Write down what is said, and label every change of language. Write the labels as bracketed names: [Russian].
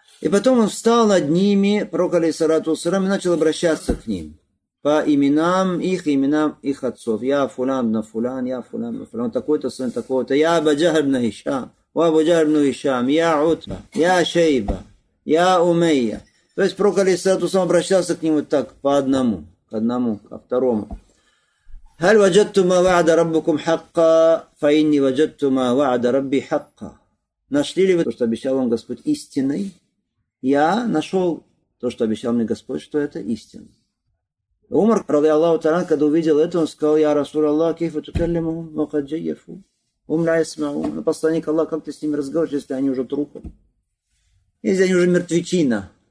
[Russian] И потом он встал над ними, пророк, алейхиссалату вассалям, и начал обращаться к ним по именам их, именам их отцов. Я фулян на фулян, я фулян на фулян, такой-то сын, такой-то. Я Абу Джахль ибн Хишам, я Абу Джахль ибн Хишам, я Утба, я Шейба, я Умейя. То есть пророк, алейхиссалату вассалям, обращался к ним вот так, по одному, ко второму. [Arabic] هل وجدتم ما وعد ربكم حقا فإني وجدت ما وعد ربي حقا. [Russian] Нашли ли вы то, что обещал вам Господь истиной? Я нашел то, что обещал мне Господь, что это истина. Умар, радиаллаху та'ала, когда увидел это, он сказал: [Arabic] «Я Расул Аллах, кейфа тукаллиму, вакад джайяфу, ум ля ясмау». [Russian] Посланник Аллах, как ты с ними разговариваешь, если они уже трупы? Если они уже мертвечина?